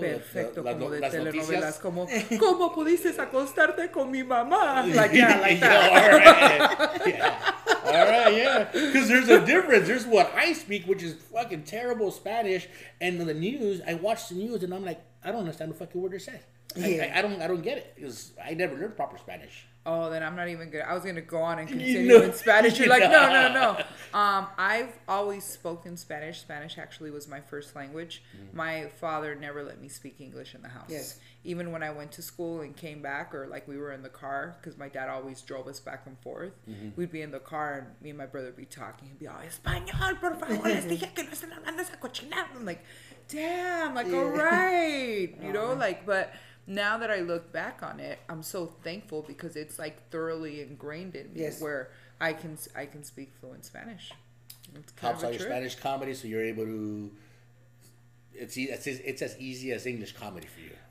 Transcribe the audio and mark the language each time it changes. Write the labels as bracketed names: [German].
[Spanish] Perfecto, las telenovelas. Como, ¿cómo pudiste acostarte con mi mamá? [English] Like, yeah, like that. All right. Yeah. All right, yeah. Because there's a difference. There's what I speak, which is fucking terrible Spanish. And the news, I watch the news and I'm like, I don't understand the fucking word they're saying. Yeah. I don't get it because I never learned proper Spanish. Oh, then I'm not even good. I was going to go on and continue in Spanish. You're like, no. I've always spoken Spanish. Spanish actually was my first language. My father never let me speak English in the house. Yes. Even when I went to school and came back, or like we were in the car, because my dad always drove us back and forth. We'd be in the car and me and my brother would be talking. He'd be all, [Spanish] Español, por favor, les dije que no están hablando esa cochinada. [English] I'm like, damn, like, all right. You know, like, but now that I look back on it, I'm so thankful because it's like thoroughly ingrained in me where I can speak fluent Spanish. It's kind helps out your Spanish comedy, so you're able to. It's as easy as English comedy for you.